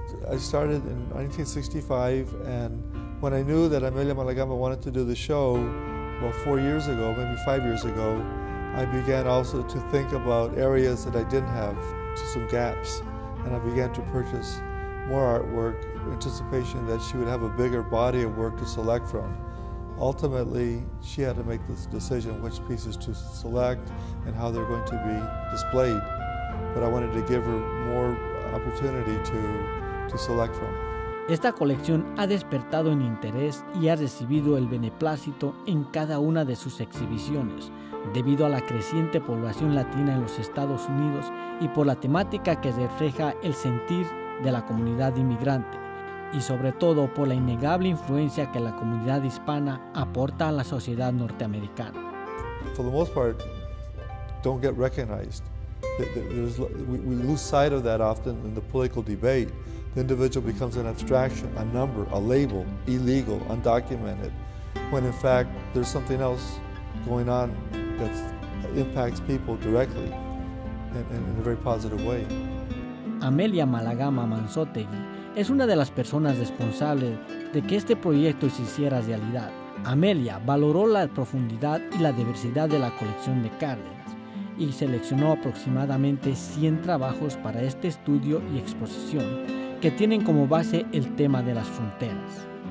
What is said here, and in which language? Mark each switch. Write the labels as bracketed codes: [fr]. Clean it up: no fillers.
[en] I started in 1965, and when I knew that Amelia Malagama wanted to do the show, about 4 years ago, maybe 5 years ago, I began also to think about areas that I didn't have, to some gaps, and I began to purchase more artwork in anticipation that she would have a bigger body of work to select from. Ultimately, she had to make this decision which pieces to select and how they're going to be displayed. But I wanted to give her more opportunity to select from. [es] Esta colección ha despertado en interés y ha recibido el beneplácito en cada una de sus exhibiciones, debido a la creciente población latina en los Estados Unidos y por la temática que refleja el sentir de la comunidad inmigrante, y sobre todo por la innegable influencia que la comunidad hispana aporta a la sociedad norteamericana. [en] For the most part, don't get recognized. We lose sight of that often in the political debate. The individual becomes an abstraction, a number, a label, illegal, undocumented, when in fact there's something else going on that impacts people directly and in a very positive way. [es] Amelia Malagama Manzotegui es una de las personas responsables de que este proyecto se hiciera realidad. Amelia valoró la profundidad y la diversidad de la colección de Cárdenas y seleccionó aproximadamente 100 trabajos para este estudio y exposición, que tienen como base el tema de las fronteras.